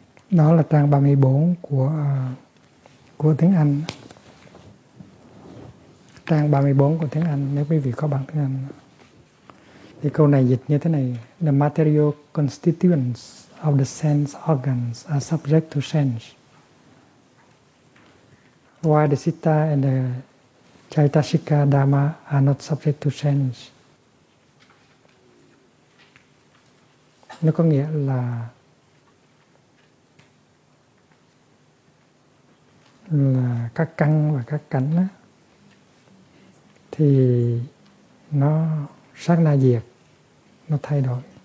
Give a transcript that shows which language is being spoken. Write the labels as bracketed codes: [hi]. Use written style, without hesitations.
[vi] Đó là trang 34 của tiếng Anh. Trang 34 của tiếng Anh, nếu quý vị có bằng tiếng Anh. Thì câu này dịch như thế này: [en] The material constituents of the sense organs are subject to sense. Why the citta and the chaitasika dhamma are not subject to sense? [vi] Nó có nghĩa là các căn và các cảnh á, thì nó sát na diệt, nó thay đổi.